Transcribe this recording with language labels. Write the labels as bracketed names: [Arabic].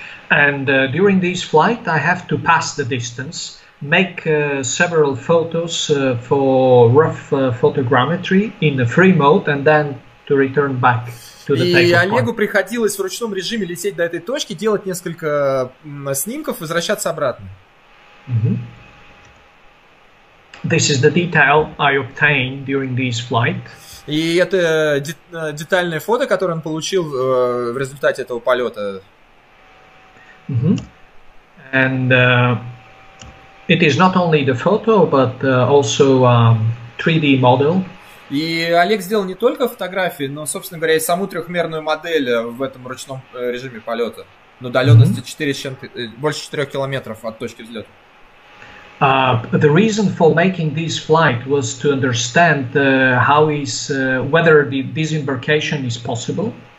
[English] And during this flight, I have to pass the distance, make several photos for rough photogrammetry in the free mode, and then to return back to the [Russian] И [English] takeoff point. [Russian] Олегу приходилось в ручном режиме лететь до этой точки, делать несколько снимков, возвращаться обратно. [English] This is the detail I obtained during this flight. [Russian] И это детальное фото, которое он получил в результате этого полета. [English] And it is not only the photo, but also 3D model. [Russian] И Олег сделал не только фотографии, но, собственно говоря, и саму трехмерную модель в этом ручном режиме полета на удаленности 4 с чем-то, больше 4 километров от точки взлета. [English] The reason for making this flight was to understand how is whether the disembarkation is possible.